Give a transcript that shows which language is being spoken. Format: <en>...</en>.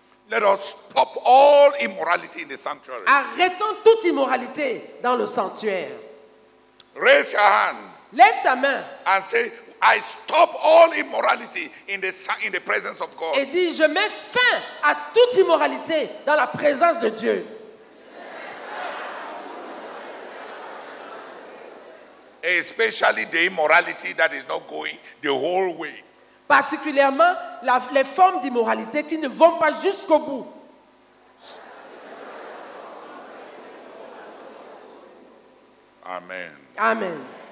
<en>Let us stop all immorality in the sanctuary.</en> <fr>Arrêtons toute immoralité dans le sanctuaire.</fr> <en>Raise your hand.</en> <fr>Lève ta main.</fr> <en>And say, I stop all immorality in the presence of God.</en> <fr>Et dis, je mets fin à toute immoralité dans la présence de Dieu.</fr> <en>Especially the immorality that is not going the whole way.</en> <fr>Particulièrement les formes d'immoralité qui ne vont pas jusqu'au bout.</fr> <en>Amen.</en> <fr>Amen.</fr>